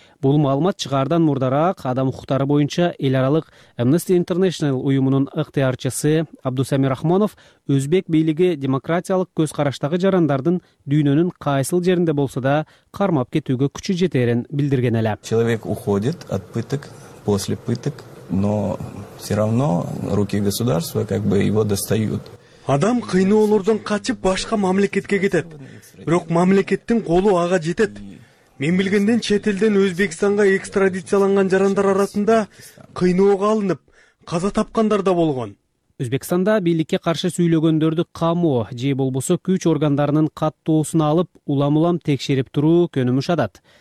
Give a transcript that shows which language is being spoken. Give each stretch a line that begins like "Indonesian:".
Kyrgyz: Бул маалымат чыгаардан мурдараак адам укуктары боюнча эл аралык Amnesty International уюмунун ыктыярчысы Абдусамир Рахмонов өзбек бийлиги демократиялык көз караштагы жарандардын дүйнөнүн кайсыл жеринде болсо да кармап кетүүгө күчү жетерин билдирген эле.
Russian: Человек уходит от пыток, после пыток, но все равно руки государства как бы его достают.
Kyrgyz: Адам кыйноолордон качып башка мамлекетке кетет. Бирок мамлекеттин колу ага жетет. Мен билгенден чет элден Өзбекстанга экстрадицияланган жарандар арасында кыйноого алынып, каза тапкандар да болгон. Өзбекстанда бийликке каршы сүйлөгөндөрдү камоо же болбосо күч органдарынын каттоосуна алып, улам-улам текшерип туруу көнүмүш адат.